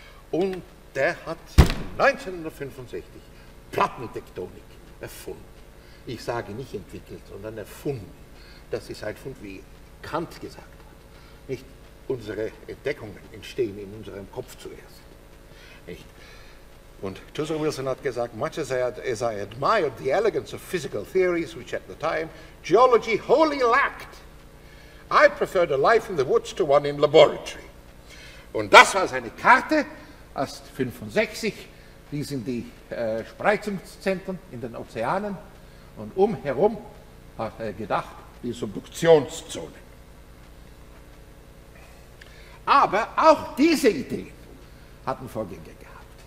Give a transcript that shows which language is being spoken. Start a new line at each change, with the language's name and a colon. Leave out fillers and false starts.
German: Und der hat 1965 Plattentektonik erfunden. Ich sage nicht entwickelt, sondern erfunden. Das ist ein Fund, wie Kant gesagt hat. Nicht unsere Entdeckungen entstehen in unserem Kopf zuerst. Nicht. Und Tuzo Wilson hat gesagt,
English: much as I admired the elegance of physical theories, which at the time geology wholly lacked, I preferred a life in the woods to one in laboratory.
German: Und das war seine Karte, aus 65, die sind die Spreizungszentren in den Ozeanen und umherum hat er gedacht, die Subduktionszone. Aber auch diese Ideen hatten Vorgänger gehabt.